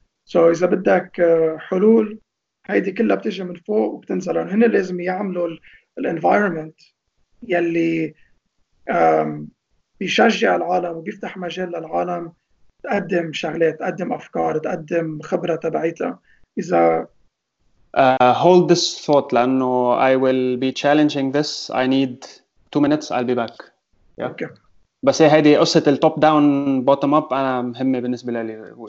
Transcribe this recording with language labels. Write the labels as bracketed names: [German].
[Arabic] So إذا بدك حلول هيدي كلها بتجي من فوق وبتنزل، هنا لازم يعملوا الـ environment يلي بيشجع العالم وبيفتح مجال للعالم تقدم شغلات، تقدم أفكار، تقدم خبرة تبعيتها. إذا [English] hold this thought [Arabic] لأنه [English] I will be challenging this. I need 2 minutes. I'll be back. Yeah. Okay. [Arabic] بس هي هذه قصة ال [English] top down bottom up [Arabic] أنا مهمة بالنسبة لي.